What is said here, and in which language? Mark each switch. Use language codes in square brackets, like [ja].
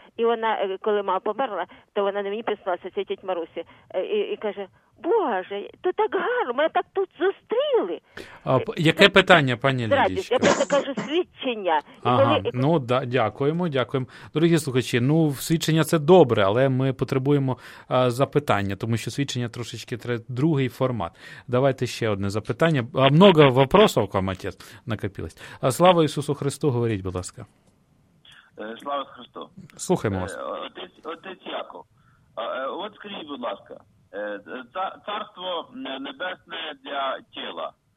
[uk] І вона, коли мама померла, то вона не мені прислалася, це тітя Марусі, і каже, Боже, то так гарно, мене так тут зустріли. Яке питання, пані Лідічко? Я просто кажу свідчення. Ага, коли... Ну, да, дякуємо, дякуємо. Дорогі слухачі, ну, свідчення – це добре, але ми потребуємо запитання, тому що свідчення трошечки другий формат. Давайте ще одне запитання. [ru] Много вопросов, к вам, отец, накопилось. [uk] Слава Ісусу Христу, говоріть, будь ласка. Слава Христу. Слухаємо вас. Отець Яков, от скажіть, будь ласка, царство небесне для тіла.